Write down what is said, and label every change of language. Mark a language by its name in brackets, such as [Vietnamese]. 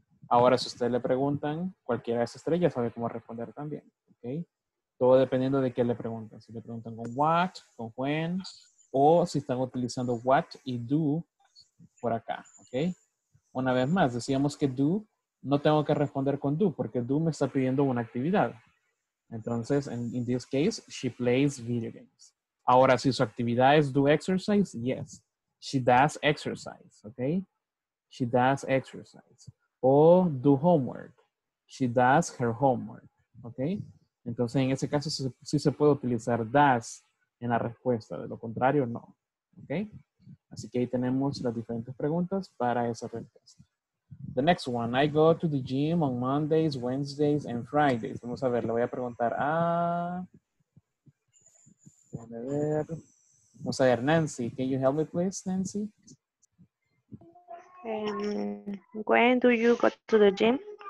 [Spanish] Ahora, si ustedes le preguntan, cualquiera de esas tres ya sabe cómo responder también. Okay. Todo dependiendo de qué le preguntan. Si le preguntan con what, con when, o si están utilizando what y do por acá. Okay. Una vez más, decíamos que do, no tengo que responder con do, porque do me está pidiendo una actividad. Entonces, [English] in this case, she plays video games. [Spanish] Ahora, si su actividad es [English] do exercise, yes. She does exercise, okay? She does exercise. [Spanish] O [English] do homework. She does her homework, okay? [Spanish] Entonces, en ese caso, sí se puede utilizar does en la respuesta. De lo contrario, no, okay? Así que ahí tenemos las diferentes preguntas para esa respuesta. [English] The next one, I go to the gym on Mondays, Wednesdays, and Fridays. [Spanish] Vamos a ver, le voy a preguntar a... Déjame ver... Vamos a ver, [English] Nancy, can you help me please, Nancy? When do you go to the gym?